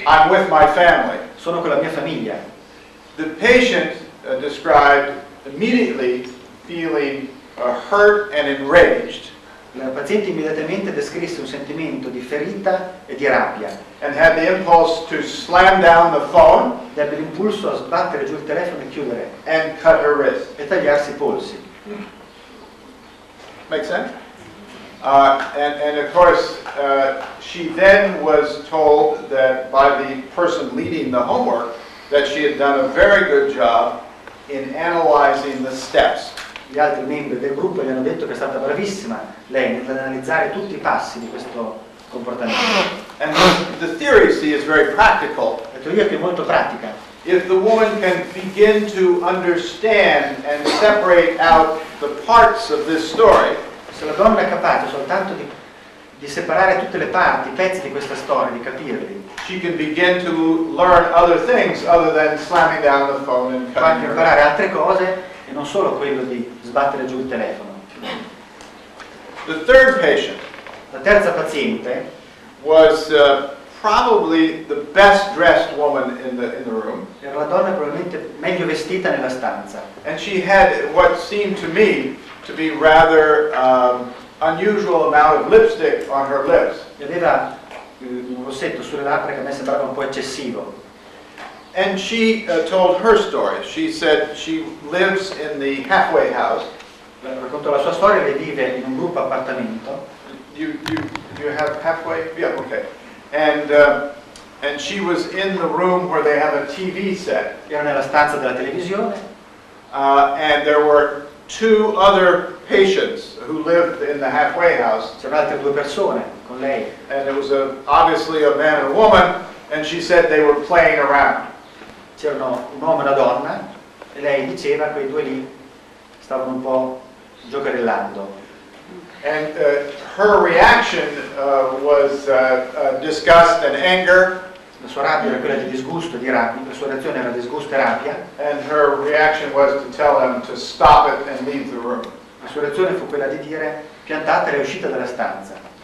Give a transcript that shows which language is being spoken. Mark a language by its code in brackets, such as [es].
[en] I'm with my family. [it] Sono con la mia famiglia. [en] The patient described immediately feeling hurt and enraged. [it] La paziente immediatamente descrisse un sentimento di ferita e di rabbia. [en] And had the impulse to slam down the phone. [it] E ebbe l'impulso a sbattere giù il telefono e chiudere. [en] And cut her wrist. [it] E tagliarsi i polsi. [en] Make sense? And of course, she then was told that by the person leading the homework that she had done a very good job in analyzing the steps. [it] Gli altri membri del gruppo gli hanno detto che è stata bravissima lei nell'analizzare tutti i passi di questo comportamento. [en] And the theory, see, is very practical. [it] La teoria è molto pratica. [en] If the woman can begin to understand and separate out the parts of this story. [it] Se la donna è capace soltanto di separare tutte le parti, i pezzi di questa storia, di capirli. [en] She can begin to learn other things other than slamming down the phone and cutting. [it] Può imparare altre cose e non solo quello di sbattere giù il telefono. [en] The third patient. [it] La terza paziente [en] was probably the best dressed woman in the room. [it] Era la donna probabilmente meglio vestita nella stanza. [en] And she had what seemed to me to be rather unusual amount of lipstick on her lips. [it] E aveva un rossetto sulle labbra che a me sembrava un po' eccessivo. [en] And she told her story. She said she lives in the halfway house. [it] Raccontò la sua storia, lei vive in un gruppo appartamento. [en] You have halfway? Yeah, okay. And she was in the room where they have a TV set. [it] Era nella stanza della televisione. [en] And there were two other patients who lived in the halfway house. [it] C'erano altre due persone con lei. [en] And it was obviously a man and a woman, and she said they were playing around. [it] C'erano un uomo e una donna, e lei diceva quei due lì stavano un po' giocherellando. [en] And her reaction was disgust and anger. [it] La sua rabbia era quella di disgusto e di rabbia. La sua reazione era disgusto e rabbia. [en] And her reaction was to tell them to stop it and leave the room. [it] La sua reazione fu quella di dire piantatela e uscite dalla stanza.